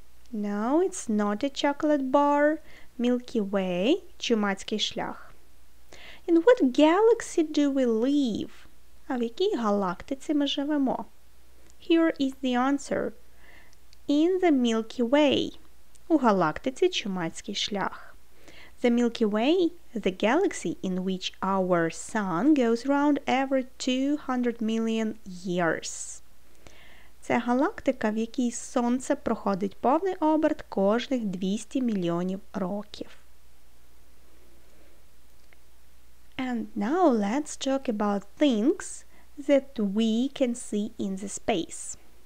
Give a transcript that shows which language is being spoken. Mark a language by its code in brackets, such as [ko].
[en] No, it's not a chocolate bar. Milky Way – [uk] чумацький шлях. [en] In what galaxy do we live? [uk] А в якій галактиці ми живемо? [en] Here is the answer. In the Milky Way. [uk] У галактиці чумацький шлях. [en] The Milky Way – the galaxy in which our sun goes round every 200 million years. [uk] Це галактика, в якій Сонце проходить повний оберт кожних 200 мільйонів років. [en] And now let's talk about things that we can see in the space.